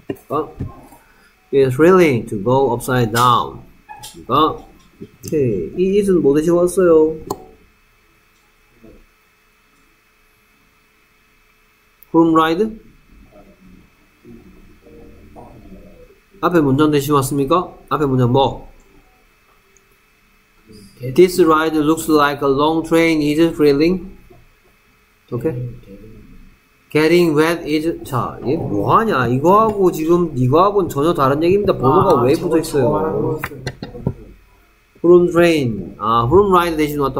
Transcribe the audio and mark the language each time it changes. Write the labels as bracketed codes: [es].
[en] 아, it's thrilling to go upside down. 됐습니까? [ko] 오케이, 이 it은 뭐 대신 왔어요? 후룸 라이드? 앞에 문장 대신 왔습니까? 앞에 문장 뭐? [en] This ride looks like a long train is thrilling. Okay. Getting wet is, 자, 얘 뭐 하냐? [ko] 이거하고 지금, 이거하고는 전혀 다른 얘기입니다. 번호가 아, 왜 붙어 있어요? 후룸 트레인. 아, 후룸 라이드 대신 왔다.